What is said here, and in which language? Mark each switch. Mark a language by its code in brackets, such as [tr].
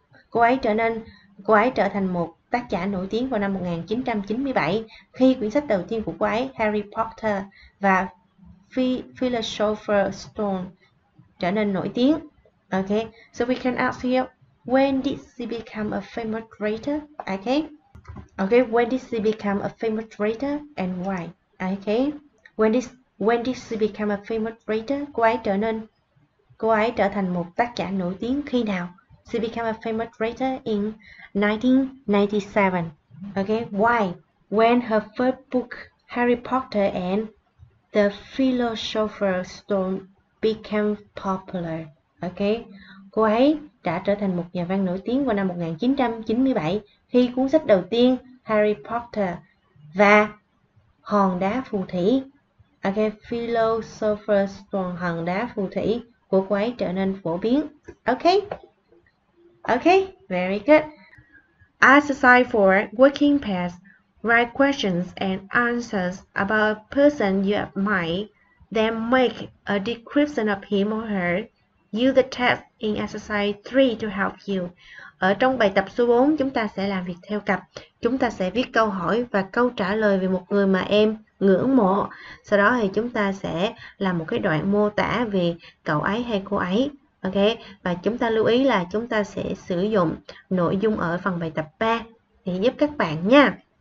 [vi] Cô ấy trở thành một tác giả nổi tiếng vào năm 1997 khi quyển sách đầu tiên của cô ấy, Harry Potter và Philosopher's Stone, trở nên nổi tiếng. [en] Okay, so we can ask here, when did she become a famous writer? Okay, when did she become a famous writer and why? Okay, when did she become a famous writer? [vi] Cô ấy trở thành một tác giả nổi tiếng khi nào? [en] She became a famous writer in 1997. Okay, why? When her first book, Harry Potter and the Philosopher's Stone, became popular. [vi] Okay, cô ấy đã trở thành một nhà văn nổi tiếng vào năm 1997 khi cuốn sách đầu tiên Harry Potter và Hòn Đá Phù Thủy. Okay, Philosopher's Stone, Hòn Đá Phù Thủy của cô ấy trở nên phổ biến. [en] Okay. Okay, very good. Exercise 4, working past. Write questions and answers about a person you admire, then make a description of him or her. Use the test in exercise 3 to help you. [vi] Ở trong bài tập số 4, chúng ta sẽ làm việc theo cặp. Chúng ta sẽ viết câu hỏi và câu trả lời về một người mà em ngưỡng mộ. Sau đó thì chúng ta sẽ làm một cái đoạn mô tả về cậu ấy hay cô ấy. Ok, và chúng ta lưu ý là chúng ta sẽ sử dụng nội dung ở phần bài tập 3 để giúp các bạn nha.